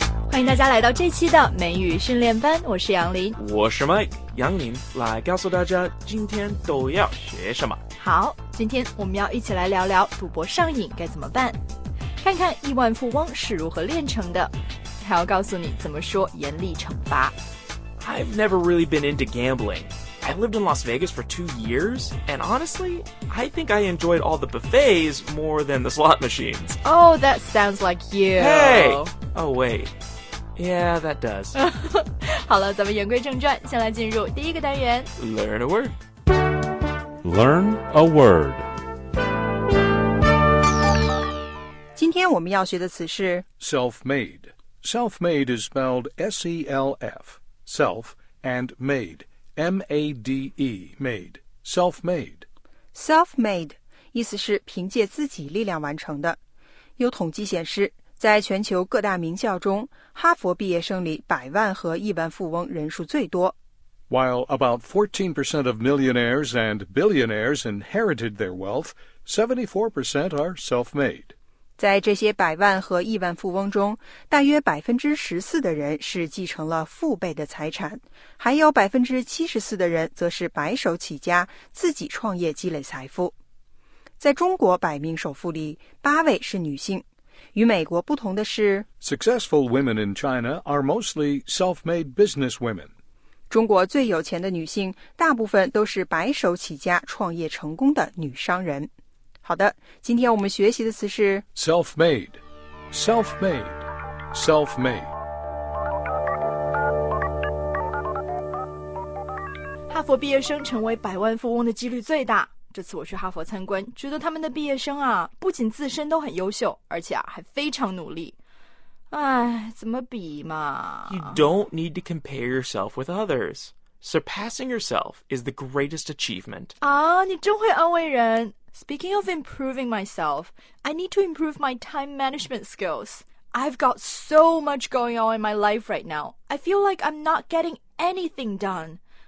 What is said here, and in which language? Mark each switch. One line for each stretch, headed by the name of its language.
Chinese: 欢迎大家来到这期的美语训练班，我是杨林，我是 Mike， 杨林来告诉大家今天都要学什么。好，今天我们要一起来聊聊赌博上瘾该怎么办，看看亿万富翁是如何练成的，还要告诉你怎么说严厉惩罚。
English: I've never really been into gambling. I lived in Las Vegas for 2 years, and honestly, I think I enjoyed all the buffets more than the slot machines. Oh, that sounds like you. Hey! Oh, wait. Yeah, that does.
Chinese: 好了，咱们言归正传，先来进入第一个单元。
English: Learn a word. Learn a word.
Chinese: 今天我们要学的词是
English: self-made. Self-made is spelled S-E-L-F. Self and made. M-A-D-E, made. Self-made.
Chinese: Self-made, 意思是凭借自己力量完成的。有统计显示，在全球各大名校中，哈佛毕业生里百万和亿万富翁人数最多。
English: While about 14% of millionaires and billionaires inherited their wealth, 74% are self-made.
Chinese: 在这些百万和亿万富翁中，大约 14% 的人是继承了父辈的财产，还有 74% 的人则是白手起家，自己创业积累财富。在中国百名首富里，八位是女性。与美国不同的是
English: Successful women in China are mostly self-made business women.
Chinese: 中国最有钱的女性大部分都是白手起家创业成功的女商人。好的，今天我们学习的词是
English: self-made, self-made, self-made.
Chinese: 哈佛毕业生成为百万富翁的几率最大。这次我去哈佛参观，觉得他们的毕业生啊，不仅自身都很优秀，而且啊，还非常努力。哎，怎么比嘛？
English: You don't need to compare yourself with others. Surpassing yourself is the greatest achievement.
Chinese: 啊，你真会安慰人。
English: Speaking of improving myself, I need to improve my time management skills. I've got so much going on in my life right now. I feel like I'm not getting anything done.